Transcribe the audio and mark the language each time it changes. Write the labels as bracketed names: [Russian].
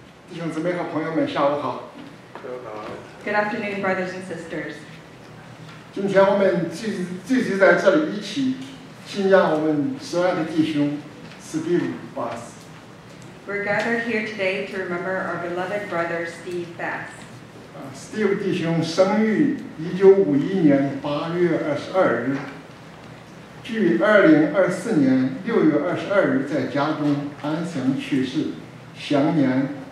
[Chinese] 弟兄姊妹和朋友们，下午好。 [English] Good afternoon, brothers and sisters. [Chinese] 今天我们聚集在这里一起信仰我们所爱的弟兄 Steve Bass. [English] We're gathered here today to remember our beloved brother Steve Bass. [Chinese] Steve 弟兄生于1951年8月22日，于2024年6月22日在家中安详去世，享年。